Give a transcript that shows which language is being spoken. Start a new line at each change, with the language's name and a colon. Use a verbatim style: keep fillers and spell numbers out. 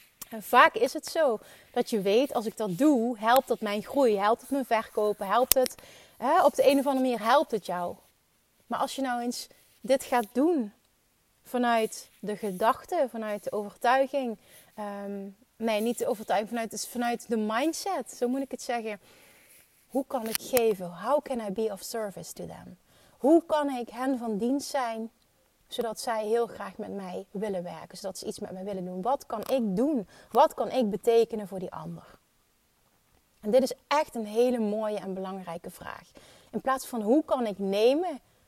Dutch: En vaak is het zo dat je weet, als ik dat doe, helpt dat mijn groei, helpt het mijn verkopen, helpt het, hè, op de een of andere manier helpt het jou. Maar als je nou eens dit gaat doen vanuit de gedachte, vanuit de overtuiging, um, nee niet de overtuiging, vanuit, dus vanuit de mindset, zo moet ik het zeggen. Hoe kan ik geven?
English: How can I be of service to them?
Dutch: Hoe kan ik hen van dienst zijn? Zodat zij heel graag met mij willen werken. Zodat ze iets met mij willen doen. Wat kan ik doen? Wat kan ik betekenen voor die ander? En dit is echt een hele mooie en belangrijke vraag. In plaats van hoe kan ik nemen?